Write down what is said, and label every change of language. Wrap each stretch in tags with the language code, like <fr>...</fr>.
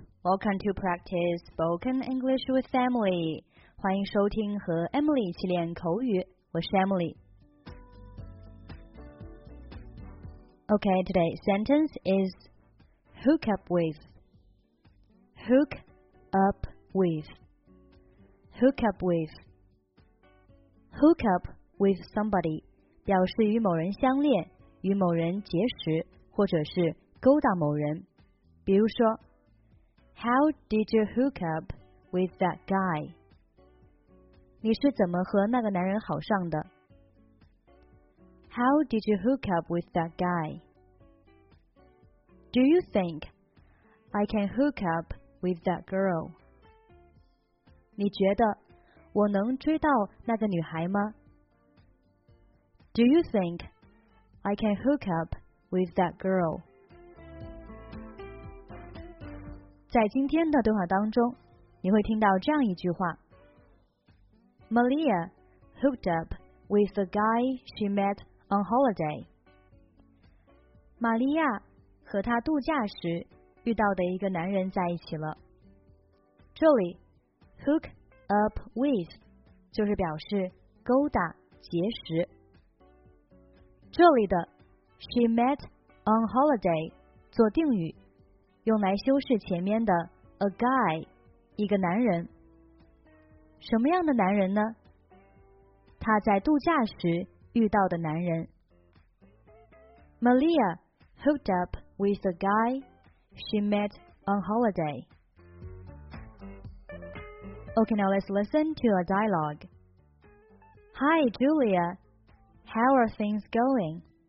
<en>Welcome to practice spoken English with Emily.</en> <zh>欢迎收听和 Emily 一起练口语。我是 Emily.</zh> <en>Okay, today's sentence is hook up with. Hook up with. Hook up with. Hook up with somebody</en> <zh>表示与某人相恋，与某人结识，或者是勾搭某人。比如说</zh> <en>How did you hook up with that guy?</en> <zh>你是怎么和那个男人好上的？</zh> <en>How did you hook up with that guy? Do you think I can hook up with that girl?</en> <zh>你觉得我能追到那个女孩吗？</zh> <en>Do you think I can hook up with that girl?</en> <zh>在今天的对话当中，你会听到这样一句话</zh> <en>Malia hooked up with a guy she met on holiday.</en> <zh>玛利亚和她度假时遇到的一个男人在一起了。这里 hook up with 就是表示勾搭、结识。这里的 she met on holiday 做定语，用来修饰前面的 a guy 一个男人。什么样的男人呢？他在度假时遇到的男人。</zh> <en>Malia hooked up with a guy she met on holiday. Okay, now let's listen to a dialogue. Hi, Julia. How are things going?</en>